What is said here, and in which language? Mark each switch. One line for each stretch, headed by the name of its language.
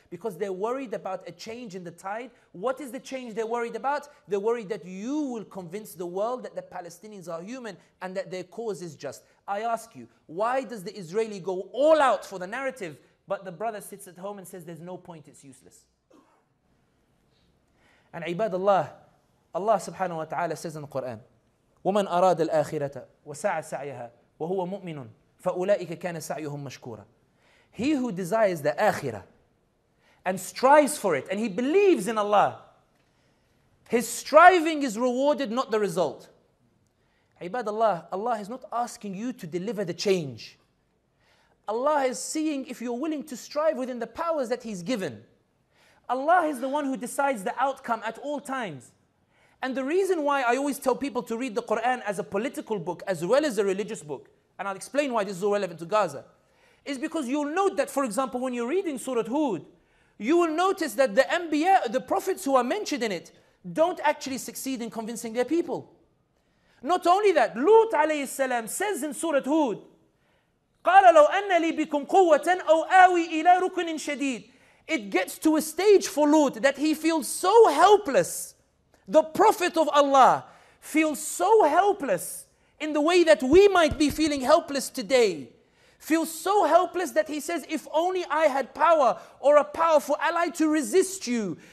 English: Because they're worried about a change in the tide. What is the change they're worried about? They're worried that you will convince the world that the Palestinians are human and that their cause is just. I ask you, why does the Israeli go all out for the narrative, but the brother sits at home and says there's no point, it's useless? And ibadallah, Allah subhanahu wa ta'ala says in the Quran,
Arabic: وَمَنْ أَرَادَ الْآخِرَةَ وَسَعَ سَعْيَهَا وَهُوَ مُؤْمِنٌ فَأُولَٰئِكَ كَانَ سَعْيُهُمْ مَشْكُورًا.
English: He who desires the akhirah and strives for it, and he believes in Allah, his striving is rewarded, not the result. Ibadallah, Allah is not asking you to deliver the change. Allah is seeing if you're willing to strive within the powers that he's given. Allah is the one who decides the outcome at all times. And the reason why I always tell people to read the Quran as a political book as well as a religious book, and I'll explain why this is so relevant to Gaza, is because you'll note that, for example, when you're reading Surah Hud, you will notice that the Anbiya, the prophets who are mentioned in it, don't actually succeed in convincing their people. Not only that, Lut alayhi salam says in Surah Hud,
Arabic: قَالَ لَوْ أَنَّ لِي بِكُمْ قُوَّةً أَوْ آوِي إِلَى رُكُنٍ شَدِيدٍ.
English: It gets to a stage for Lut that he feels so helpless. The Prophet of Allah feels so helpless in the way that we might be feeling helpless today. Feels so helpless that he says, if only I had power or a powerful ally to resist you.